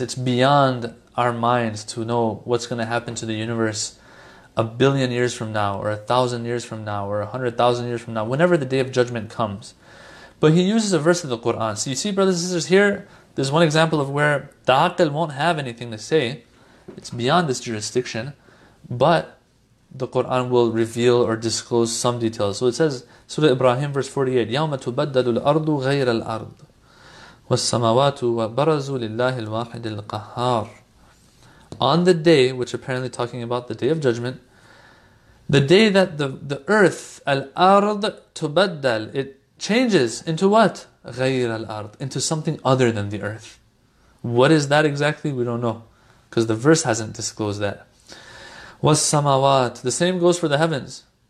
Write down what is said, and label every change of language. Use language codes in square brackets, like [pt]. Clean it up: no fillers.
[en] It's beyond our minds to know what's going to happen to the universe a billion years from now, or 1,000 years from now, or 100,000 years from now, whenever the day of judgment comes. But he uses a verse of the Quran. So you see, brothers and sisters, here, there's one example of where the Aql won't have anything to say. It's beyond this jurisdiction. But the Quran will reveal or disclose some details. So it says, Surah Ibrahim, verse 48, [ar] يَوْمَ تُبَدَّلُ الْأَرْضُ غَيْرَ الْأَرْضُ وَالسَّمَوَاتُ وَبَرَزُوا لِلَّهِ الْوَاحِدِ الْقَهَارِ. [en] On the day, which apparently talking about the Day of Judgment, the day that the earth, al-ard, tubaddal, it changes into what? [ar] غَيْرَ الْأَرْضِ, [en] into something other than the earth. What is that exactly? We don't know, because the verse hasn't disclosed that. وَالسَّمَوَاتِ, the same goes for the heavens.